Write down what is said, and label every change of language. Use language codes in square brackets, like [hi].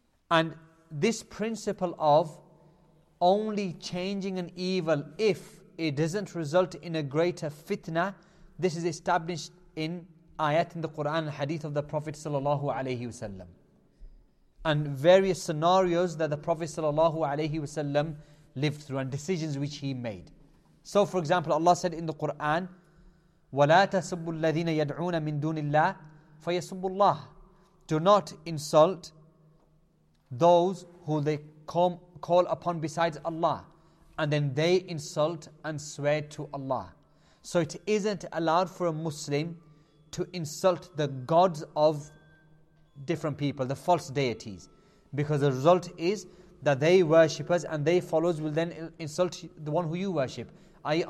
[en] And this principle of only changing an evil if it doesn't result in a greater fitna, this is established in ayat in the Quran and hadith of the Prophet sallallahu alayhi wasallam, and various scenarios that the Prophet sallallahu alayhi wasallam lived through and decisions which he made. So for example, Allah said in the Quran, [ar] وَلَا تَسُبُّ الَّذِينَ يَدْعُونَ مِن دُونِ اللَّهِ فَيَسُبُّ اللَّهِ. [en] Do not insult those who they call upon besides Allah, and then they insult and swear to Allah. So it isn't allowed for a Muslim to insult the gods of different people, the false deities, because the result is that they worshippers and they followers will then insult the one who you worship, i.e.